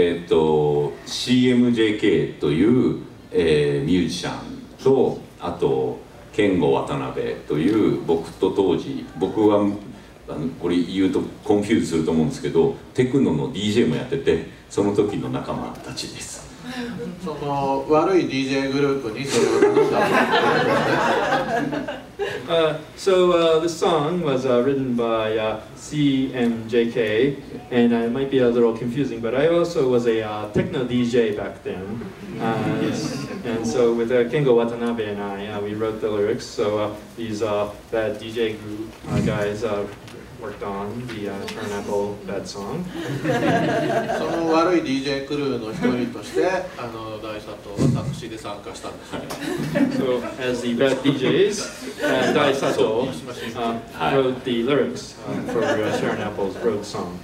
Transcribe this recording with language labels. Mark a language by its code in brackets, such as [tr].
[ja] CMJK という、ミュージシャンとあと健吾渡辺という僕と当時僕はこれ言うとコンフューズすると思うんですけどテクノの DJ もやっててその時の仲間たちです。その悪い DJ グループにそれを頼んだ [en] So this song was written by CMJK, and it might be a little confusing, but I also was a techno DJ back then. And so with Kengo Watanabe and I, we wrote the lyrics. So these bad DJ group guys worked on the Turn Apple bad song. [ja] その悪い DJ クルーの一人として、大佐と私で参加したんですね。 [en] So, as the bad DJs, 大佐と wrote the lyrics for Turn Apple's road song.